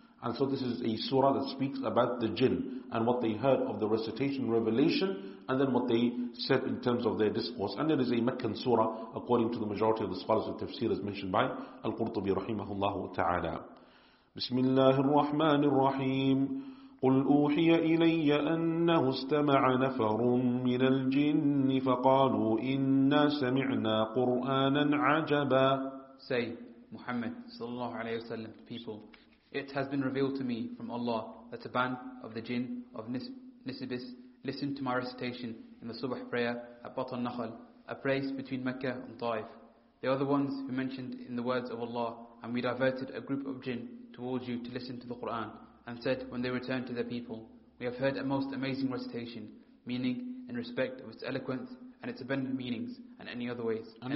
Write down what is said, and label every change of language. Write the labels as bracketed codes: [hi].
[en] And so this is a surah that speaks about the jinn and what they heard of the recitation revelation, and then what they said in terms of their discourse. And it is a Meccan surah according to the majority of the scholars of tafsir, as mentioned by Al-Qurtubi [ar] rahimahullah ta'ala. Bismillahir Rahmanir Rahim. قل أوحي إلي أنه استمع نفر من الجن فقالوا إنا سمعنا قرآنا عجبا. [en] Say, Muhammad [ar] sallallahu alayhi wa sallam, [en] people, it has been revealed to me from Allah that a band of the jinn of Nisibis listened to my recitation in the subh prayer at Batan Nakhal, a place between Mecca and Taif. They are the ones who mentioned in the words of Allah, and we diverted a group of jinn towards you to listen to the Qur'an, and said when they returned to their people, we have heard a most amazing recitation, meaning in respect of its eloquence and its abundant meanings and any other ways.